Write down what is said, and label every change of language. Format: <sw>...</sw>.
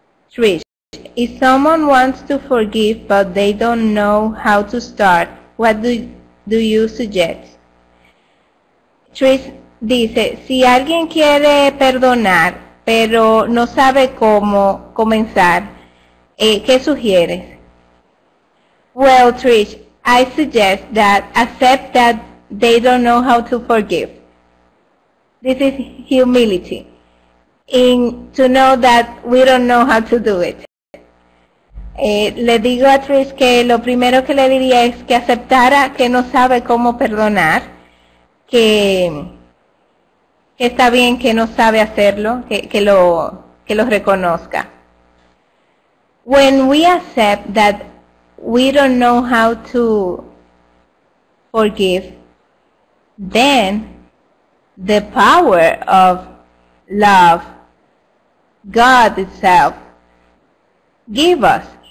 <en>Trish, if someone wants to forgive but they don't know how to start, what do you suggest?</en> <es>Trish dice, si alguien quiere perdonar pero no sabe cómo comenzar, ¿qué sugieres?</es> <en>Well, Trish, I suggest that accept that they don't know how to forgive. This is humility, in to know that we don't know how to do it.</en> <es>Le digo a Trish que lo primero que le diría es que aceptara que no sabe cómo perdonar, que está bien que no sabe hacerlo, que lo reconozca.</es> <en>When we accept that we don't know how to forgive, then the power of love, God itself, give us</en>